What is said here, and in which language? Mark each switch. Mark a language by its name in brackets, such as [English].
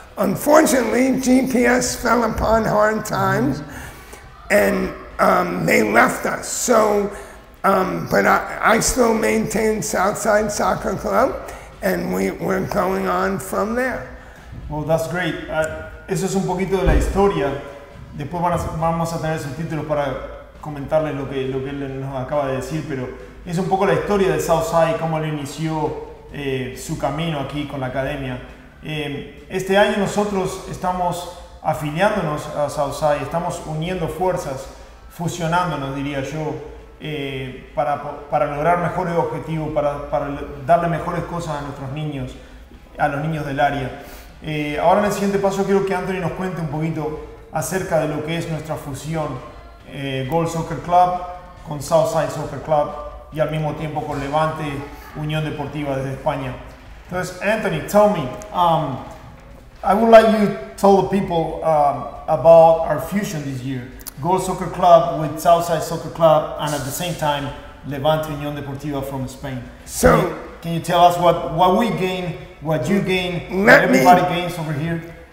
[English] Unfortunately, GPS fell upon hard times, and they left us. So, but I still maintain Southside Soccer Club, and we're going on from there. Well, that's great. [Spanish] Eso es un poquito de la historia. Después vamos a tener subtítulos para comentarles lo que él nos acaba de decir, pero es un poco la historia de Southside, cómo él inició su camino aquí con la academia. Este año nosotros estamos afiliándonos a Southside, estamos uniendo fuerzas, fusionándonos, diría yo, para lograr mejores objetivos, para darle mejores cosas a nuestros niños, a los niños del área. Ahora en el siguiente paso quiero que Anthony nos cuente un poquito acerca de lo que es nuestra fusión Gold Soccer Club con Southside Soccer Club y al mismo tiempo con Levante Unión Deportiva desde España. [English] Entonces, Anthony, tell me, I would like you to tell the people about our fusion this year. Gold Soccer Club with Southside Soccer Club and at the same time, Levante Unión Deportiva from Spain. So, can you tell us what we gain, what you gain, what everybody gains over here?